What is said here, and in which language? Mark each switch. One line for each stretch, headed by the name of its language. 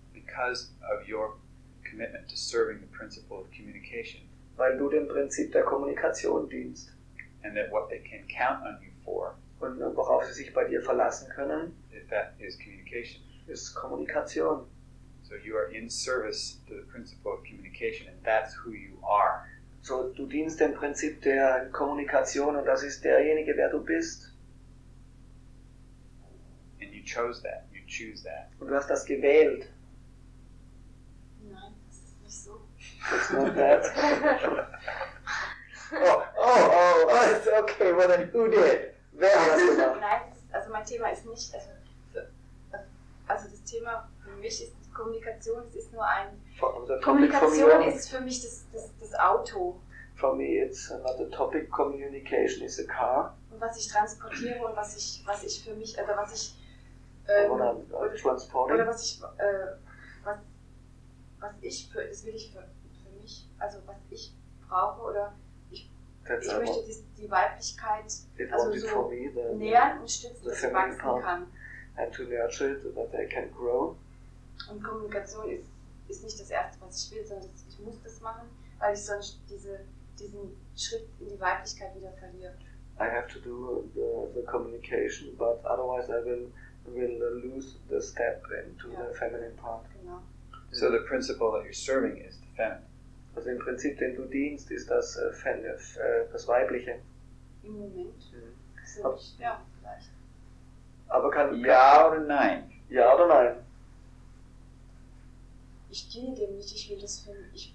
English: Because of your commitment to serving the principle of communication.
German: Weil du dem Prinzip der Kommunikation dienst.
English: And that what they can count on you for.
German: Und worauf sie sich bei dir verlassen können.
English: That is communication.
German: Ist Kommunikation.
English: So you are in service to the principle of communication, and that's who you are.
German: So du dienst dem Prinzip der Kommunikation, und das ist derjenige, wer du bist.
English: And you chose that. You choose that.
German: Und du hast das gewählt. Nein, das ist nicht so.
English: It's not that. Okay, well then who did?
German: Wer hat das gemacht? Nein, also mein Thema ist nicht, also das Thema für mich ist Kommunikation, es ist nur ein, Kommunikation ist für mich das Auto.
English: For me it's another topic, communication is a car.
German: Und was ich transportiere und was ich für mich, oder was ich, was ich brauche, oder ich möchte die Weiblichkeit,
English: it
German: also so
English: for me, the,
German: nähern und stützen, dass sie wachsen kann.
English: And to nurture it, so that they can grow.
German: Und Kommunikation ist nicht das Erste, was ich will, sondern ich muss das machen, weil ich sonst diesen Schritt in die Weiblichkeit wieder verliere.
English: I have to do the communication, but otherwise I will lose the step into the feminine part.
German: Genau.
English: So the principle that you're serving is the feminine.
German: Also im Prinzip, den du dienst, ist das das Weibliche. Im Moment. Mhm. Ja, vielleicht. Aber kann ja oder nein? Ja oder nein? Ich diene dem nicht, ich will das für mich.